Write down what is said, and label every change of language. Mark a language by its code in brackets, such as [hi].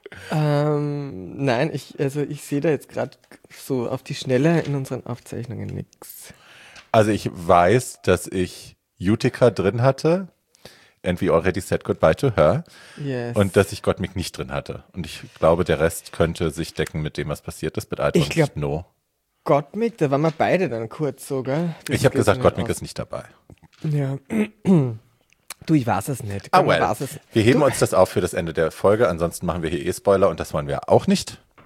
[de] Nein, ich sehe da jetzt gerade so auf die Schnelle in unseren Aufzeichnungen nichts. Also ich weiß, dass ich Utica drin hatte. [en] And we already said goodbye to her. Yes. [de] Und dass ich Gottmik nicht drin hatte. Und ich glaube, der Rest könnte sich decken mit dem, was passiert ist. Mit ich glaube, [en] no. [de] Gottmik, da waren wir beide dann kurz sogar. Ich habe gesagt, Gottmik ist nicht dabei. Ja. Du, ich weiß es nicht. [en] Ah, well. [de] Wir heben uns das auf für das Ende der Folge. Ansonsten machen wir hier Spoiler und das wollen wir auch nicht.